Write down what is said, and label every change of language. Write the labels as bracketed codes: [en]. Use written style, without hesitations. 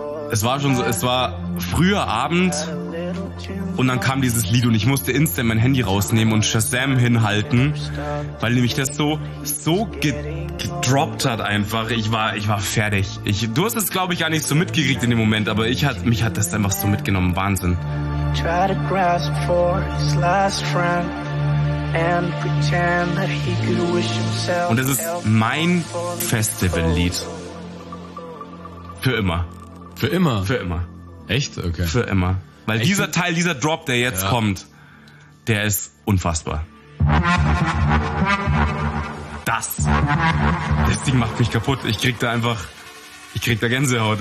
[de] Es war schon so, es war früher Abend und dann kam dieses Lied und ich musste instant mein Handy rausnehmen und Shazam hinhalten, weil nämlich das so gedroppt hat einfach. Ich war fertig. Du hast es, glaube ich, gar nicht so mitgekriegt in dem Moment, aber mich hat das einfach so mitgenommen. Wahnsinn. [en] Try to grasp for his last friend and pretend that he could wish himself. [de] Und es ist mein Festivallied. Für immer. Für immer? Für immer. Echt? Okay. Für immer. Weil echt? Dieser Teil, dieser Drop, der jetzt kommt, der ist unfassbar. Das Ding macht mich kaputt. Ich krieg da Gänsehaut.